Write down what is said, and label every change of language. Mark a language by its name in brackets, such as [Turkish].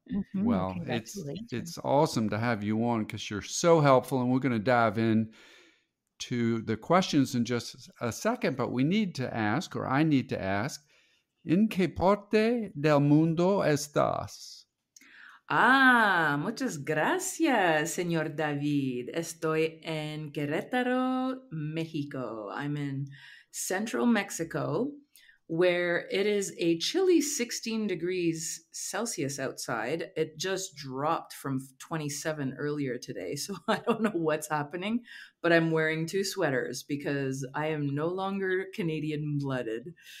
[English] Mm-hmm. Well, it's awesome to have you on because you're so helpful, and we're going to dive in to the questions in just a second, but we need to ask, or I need to ask, ¿en qué parte del mundo estás? [Spanish] Ah, muchas gracias, señor David. Estoy en Querétaro, México. [English] I'm in central Mexico, where it is a chilly 16 degrees Celsius outside. It just dropped from 27 earlier today, so I don't know what's happening, but I'm wearing two sweaters because I am no longer Canadian blooded.